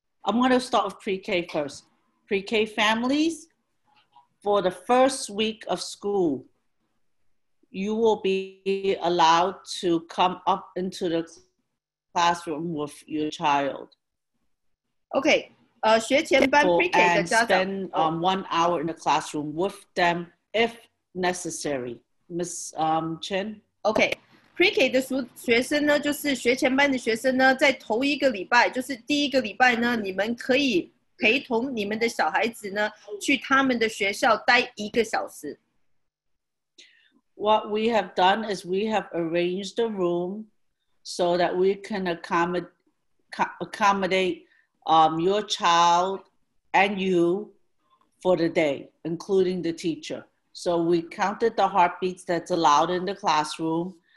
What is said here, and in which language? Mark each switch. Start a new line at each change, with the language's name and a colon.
English: I'm going to start with pre-K first. Pre-K families, for the first week of school, you will be allowed to come up into the classroom with your child.
Chinese: Okay. 学前班 pre-K 的家长
English: spend one hour in the classroom with them if necessary. Miss Chen. Okay.
Chinese: Pre-K 的学生呢，就是学前班的学生呢，在头一个礼拜，就是第一个礼拜呢，你们可以陪同你们的小孩子呢，去他们的学校待一个小时。
English: What we have done is we have arranged a room so that we can accommodate your child and you for the day, including the teacher. So we counted the heartbeats that's allowed in the classroom.